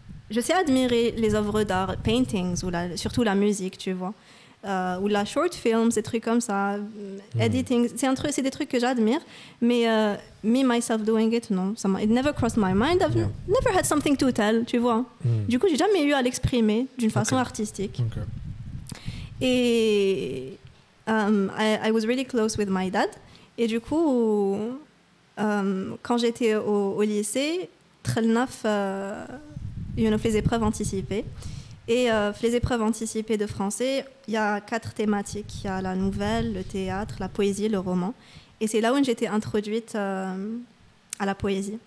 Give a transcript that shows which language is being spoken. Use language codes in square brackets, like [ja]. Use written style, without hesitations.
[fr] Je sais admirer les œuvres d'art, [en] paintings, [fr] ou surtout la musique, tu vois. Ou la short film, ces trucs comme ça. [en] Editing, [fr] c'est des trucs que j'admire. Mais [en] me, myself doing it, [fr] non. [en] It never crossed my mind. I've never had something to tell, [fr] tu vois. Du coup, j'ai jamais eu à l'exprimer d'une façon artistique. [en] Okay. [fr] Et [en] I was really close with my dad. [fr] Et du coup, quand j'étais au lycée, Trelnaf... Il y en a les épreuves anticipées. Et les épreuves anticipées de français, il y a 4 thématiques. Il y a la nouvelle, le théâtre, la poésie, le roman. Et c'est là où j'étais introduite à la poésie.